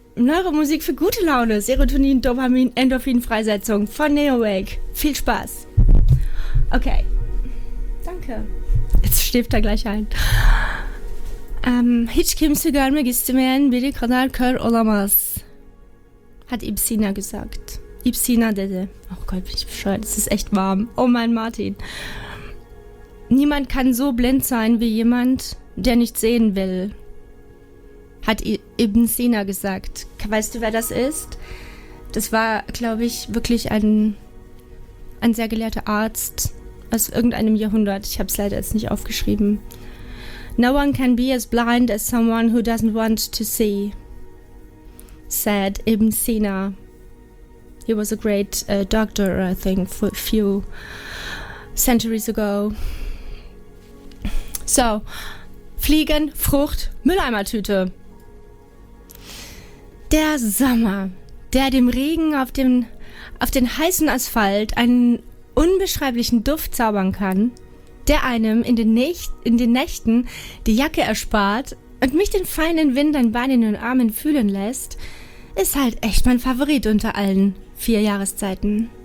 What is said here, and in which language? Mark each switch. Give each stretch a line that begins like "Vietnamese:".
German: Neue Musik für gute Laune, Serotonin, Dopamin, Endorphin-Freisetzung von Neowake. Viel Spaß. Okay, danke. Jetzt schläft er gleich ein.
Turkish: Hiç kimse görmek istemeyen biri kadar kör olamaz.
German: Hat Ibsina gesagt.
Turkish: Ibsina dedi.
German: Oh Gott, bin ich bescheuert. Es ist echt warm. Oh mein Martin. Niemand kann so blind sein wie jemand, der nicht sehen will. Hat Ibsina gesagt. Weißt du, wer das ist? Das war, glaube ich, wirklich ein sehr gelehrter Arzt aus irgendeinem Jahrhundert. Ich habe es leider jetzt nicht aufgeschrieben.
English: No one can be as blind as someone who doesn't want to see, said Ibn Sina. He was a great doctor, I think, a few centuries ago.
German: So, Fliegen, Frucht, Mülleimertüte. Der Sommer, der dem Regen auf den heißen Asphalt einen unbeschreiblichen Duft zaubern kann, der einem in den Nächten die Jacke erspart und mich den feinen Wind an Beinen und Armen fühlen lässt, ist halt echt mein Favorit unter allen vier Jahreszeiten.